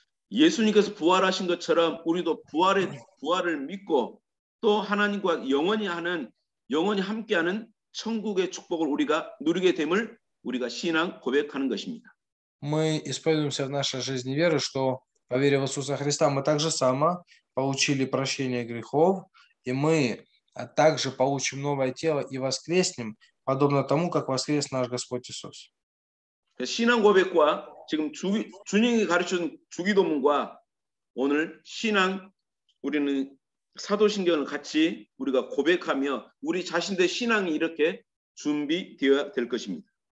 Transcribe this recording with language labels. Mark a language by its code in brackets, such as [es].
[ko] 예수님께서 부활하신 것처럼 우리도 부활의 부활을 믿고 또 하나님과 영원히 하는 영원히 함께하는 천국의 축복을 우리가 누리게 됨을 우리가 신앙 고백하는 것입니다. [ru] Мы исповедуемся в нашей жизни веры, что поверив в Иисуса Христа, мы также сама получили прощение грехов, и мы также получим новое тело и воскреснем, подобно тому, как воскрес наш Господь Иисус. [ko] 신앙 고백과 지금 주님이 가르쳐준 주기도문과 오늘 신앙 우리는 사도신경을 같이 우리가 고백하며 우리 자신들의 신앙이 이렇게 준비되어야 될 것입니다.